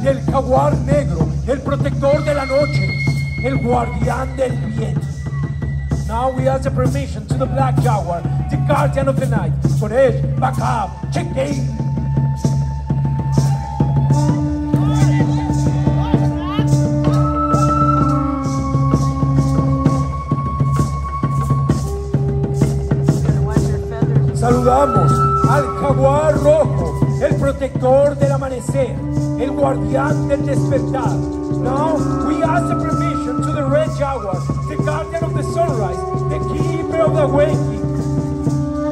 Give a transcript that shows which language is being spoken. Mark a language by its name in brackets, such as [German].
[Spanish] Jaguar negro, el protector de la noche, el guardián del viento. [English] Now we ask the permission to the black jaguar, the guardian of the night, for it, back up, check in. [Spanish] Saludamos al jaguar rojo, el protector del amanecer, el guardián del despertar. [English] Now we ask the permission to the red jaguar, the guardian of the sunrise, the keeper of the waking.